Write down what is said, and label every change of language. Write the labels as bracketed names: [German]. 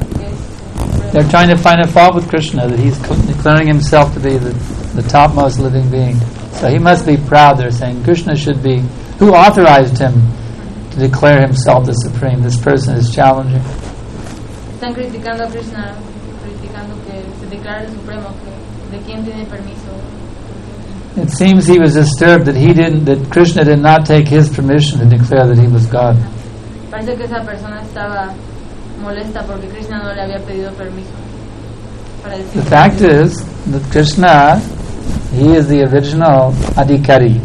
[English] They're trying to find a fault with Krishna, that he's declaring himself to be the topmost living being. So he must be proud, they're saying. Krishna should be... Who authorized him to declare himself the supreme? This person is challenging. [Spanish] Están criticando a Krishna, criticando que se declare supremo, que de quién tiene permiso. [English] It seems he was disturbed that Krishna did not take his permission to declare that he was God. [Spanish] Parece que esa persona estaba molesta porque Krishna no le había pedido permiso. [English] The fact is that Krishna, he is the original adhikari.